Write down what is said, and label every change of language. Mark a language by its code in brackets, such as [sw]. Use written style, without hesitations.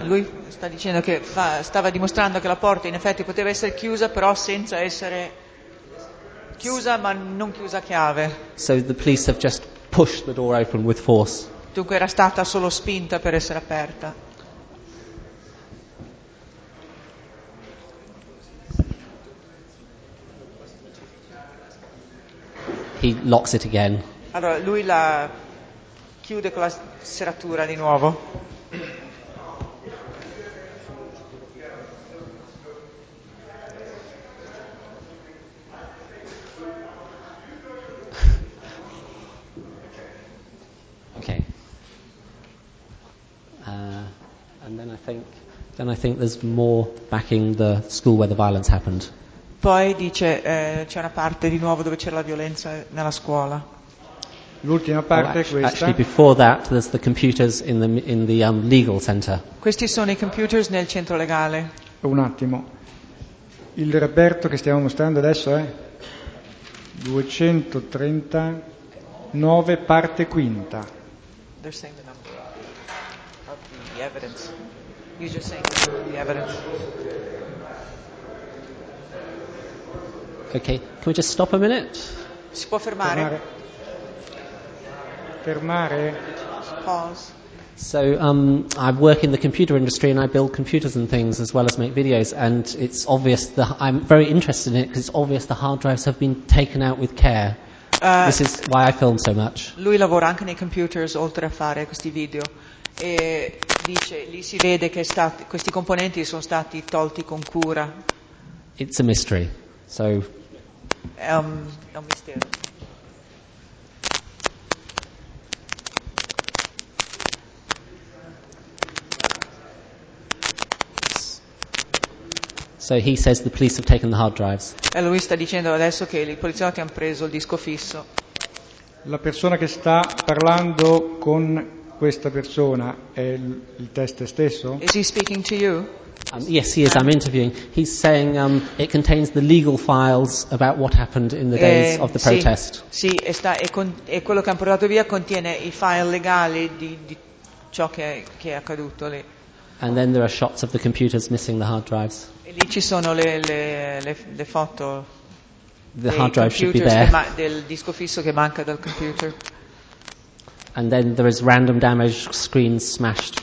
[it] lui sta dicendo che stava dimostrando che la porta in effetti poteva essere chiusa, però senza essere chiusa, ma non chiusa a chiave. [en] So the police have just pushed the door open with force. [it] Dunque era stata solo spinta per essere aperta. [en] He locks it again. [it] Allora lui la chiude con la serratura di nuovo. [en] Okay. And then I think there's more backing the school where the violence happened. [it] Poi dice c'è una parte di nuovo dove c'è la violenza nella scuola. L'ultima parte è questa. [en] Actually, before that, there's the computers in the legal center. [it] Questi sono i computer nel centro legale. Un attimo. Il reperto che stiamo mostrando adesso è 239 parte quinta. [en] They're saying the number of the evidence. You're just saying the evidence. Okay, can we just stop a minute? [it] Si può fermare? Fermare? [en] Pause. So I work in the computer industry and I build computers and things as well as make videos, and it's obvious that I'm very interested in it because it's obvious the hard drives have been taken out with care. This is why I film so much. [it] Lui lavora anche nei computers oltre a fare questi video e dice lì si vede che questi componenti sono stati tolti con cura. [en] It's a mystery. So [it] è un mistero. [en] So he says the police have taken the hard drives. [it] E lui sta dicendo adesso che i poliziotti hanno preso il disco fisso. La persona che sta parlando con questa persona è il teste stesso? [en] Is he speaking to you? Yes, he is. I'm interviewing. He's saying it contains the legal files about what happened in the days of the protest. [it] Sì, e quello che hanno portato via contiene i file legali di ciò che è accaduto lì. [en] And then there are shots of the computers missing the hard drives. [it] E lì ci sono le foto. [en] The hard drive should be there. [it] Del disco fisso che manca dal computer. [en] And then there is random damage, screens smashed.